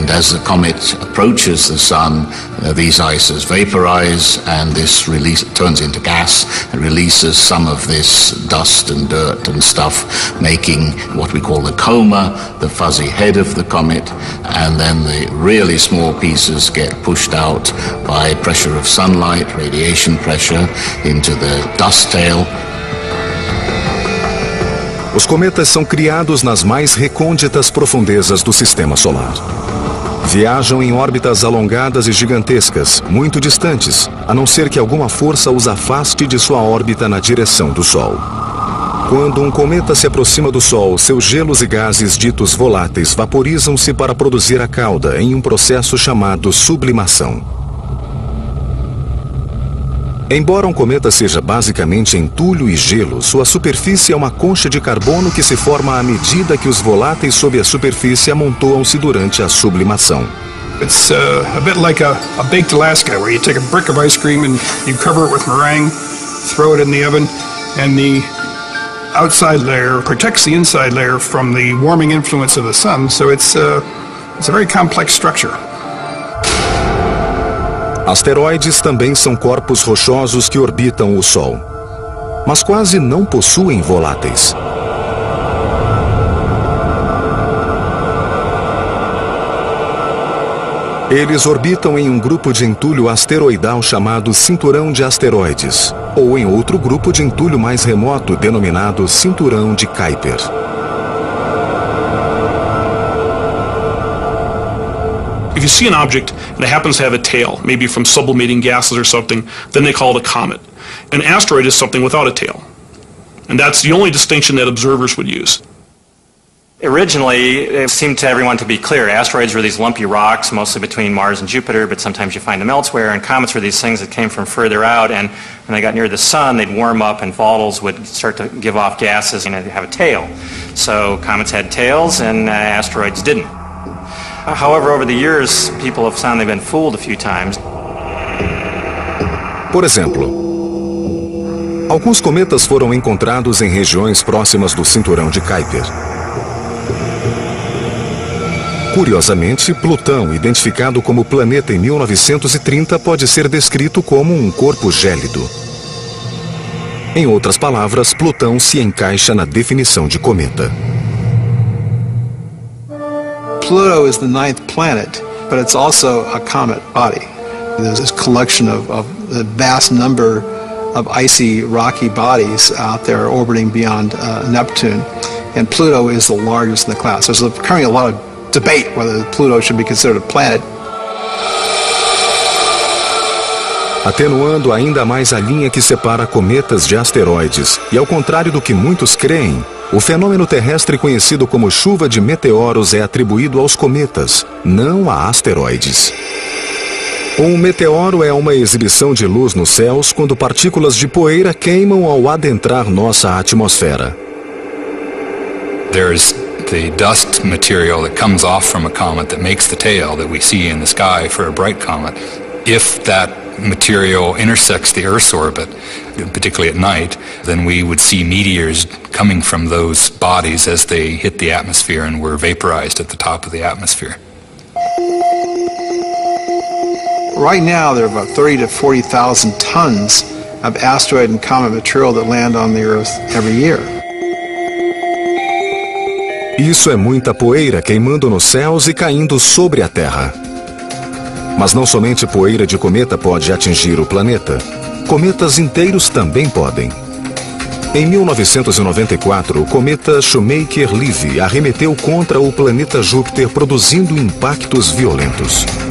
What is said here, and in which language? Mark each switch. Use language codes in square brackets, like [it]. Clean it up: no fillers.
[en] And as the comet approaches the sun, these ices vaporize, and this release turns into gas and releases some of this dust and dirt and stuff, making what we call the coma, the fuzzy head of the comet. And then the really small pieces get pushed out by pressure of sunlight, radiation pressure, into the dust tail. [pt] Os cometas são criados nas mais recônditas profundezas do Sistema Solar. Viajam em órbitas alongadas e gigantescas, muito distantes, a não ser que alguma força os afaste de sua órbita na direção do Sol. Quando um cometa se aproxima do Sol, seus gelos e gases ditos voláteis vaporizam-se para produzir a cauda em um processo chamado sublimação. Embora um cometa seja basicamente entulho e gelo, sua superfície é uma concha de carbono que se forma à medida que os voláteis sob a superfície amontoam-se durante a sublimação. [en] It's a bit like a baked Alaska, where you take a brick of ice cream and you cover it with meringue, throw it in the oven, and the outside layer protects the inside layer from the warming influence of the sun, so it's a very complex structure. [pt] Asteroides também são corpos rochosos que orbitam o Sol, mas quase não possuem voláteis. Eles orbitam em um grupo de entulho asteroidal chamado cinturão de asteroides, ou em outro grupo de entulho mais remoto denominado cinturão de Kuiper. [en] If you see an object and it happens to have a tail, maybe from sublimating gases or something, then they call it a comet. An asteroid is something without a tail. And that's the only distinction that observers would use. Originally, it seemed to everyone to be clear. Asteroids were these lumpy rocks, mostly between Mars and Jupiter, but sometimes you find them elsewhere. And comets were these things that came from further out. And when they got near the sun, they'd warm up and volatiles would start to give off gases and have a tail. So comets had tails and asteroids didn't. However, over the years, people have found they've been fooled a few times. [pt] Por exemplo, alguns cometas foram encontrados em regiões próximas do cinturão de Kuiper. Curiosamente, Plutão, identificado como planeta em 1930, pode ser descrito como um corpo gélido. Em outras palavras, Plutão se encaixa na definição de cometa. [en] Pluto is the ninth planet, but it's also a comet body. There's this collection of a vast number of icy, rocky bodies out there orbiting beyond Neptune. And Pluto is the largest in the class. There's currently a lot of debate whether Pluto should be considered a planet. [pt] Atenuando ainda mais a linha que separa cometas de asteroides, e ao contrário do que muitos creem, o fenômeno terrestre conhecido como chuva de meteoros é atribuído aos cometas, não a asteroides. Um meteoro é uma exibição de luz nos céus quando partículas de poeira queimam ao adentrar nossa atmosfera. [en] There's the dust material that comes off from a comet that makes the tail that we see in the sky for a bright comet. If that material intersects the Earth's orbit, particularly at night, then we would see meteors coming from those bodies as they hit the atmosphere and were vaporized at the top of the atmosphere. Right now there are about 30 to 40,000 tons of asteroid and comet material that land on the Earth every year. [pt] Isso é muita poeira queimando nos céus e caindo sobre a Terra. Mas não somente poeira de cometa pode atingir o planeta. Cometas inteiros também podem. Em 1994, o cometa Shoemaker-Levy arremeteu contra o planeta Júpiter, produzindo impactos violentos.